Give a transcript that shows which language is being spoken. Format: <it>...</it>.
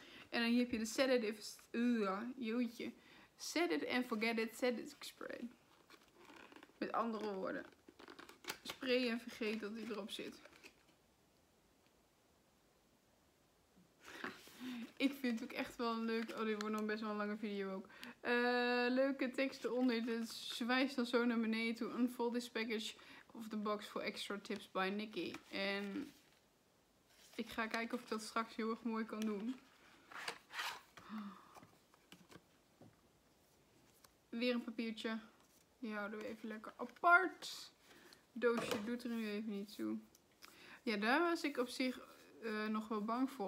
<nl>En dan hier heb je de Set It, Set It and Forget It Setting Spray. Met andere woorden. Spray en vergeet dat die erop zit. Ik vind het ook echt wel een leuk. Oh, dit wordt nog best wel een lange video ook. Leuke tekst eronder. Het zwijst dan zo naar beneden toe.</nl> <en>Unfold this package of the box for extra tips by Nikki.</en> <nl>En ik ga kijken of ik dat straks heel erg mooi kan doen. Weer een papiertje. Die houden we even lekker apart. Doosje doet er nu even niet toe. Ja, daar was ik op zich... nog wel bang voor.</nl>